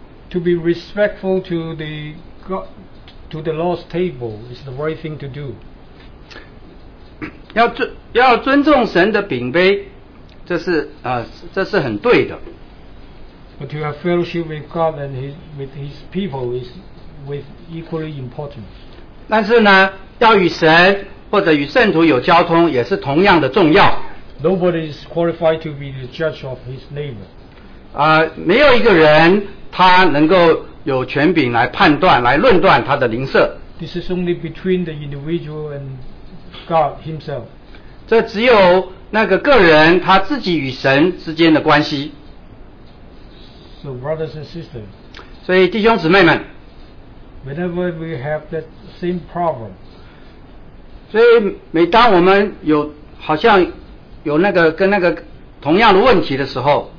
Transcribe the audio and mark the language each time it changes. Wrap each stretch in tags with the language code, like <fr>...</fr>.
<en>To be respectful to the God, to the Lord's table is the right thing to do.</en> <zh>要尊重神的饼杯，这是很对的。</zh> <en>But to have fellowship with God and with his people is with equally important.</en> <zh>但是呢，要与神或者与圣徒有交通，也是同样的重要。</zh> <en>Nobody is qualified to be the judge of his neighbor.</en> <zh>没有一个人他能够有权柄来判断、来论断他的邻舍。</zh> <en>This is only between the individual and God himself.</en> <zh>这只有那个个人他自己与神之间的关系。</zh> <en>So brothers and sisters,</en> <zh>所以弟兄姊妹们，</zh> <en>whenever we have that same problem,</en> <zh>所以每当我们有好像有那个跟那个同样的问题的时候，</zh>